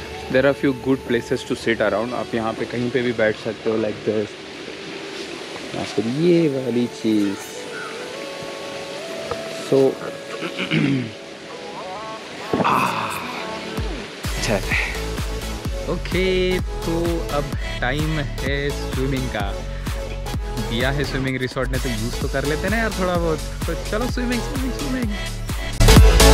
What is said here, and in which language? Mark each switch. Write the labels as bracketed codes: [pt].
[en] There are few good places to sit around. [hi] आप यहाँ पे कहीं पे भी बैठ सकते हो, [en] like this. [hi] आपको ये वाली चीज। So, चलते। Okay, तो अब time है swimming का। दिया है swimming resort ने, तो use तो कर लेते ना यार थोड़ा बहुत। तो चलो swimming, swimming, swimming.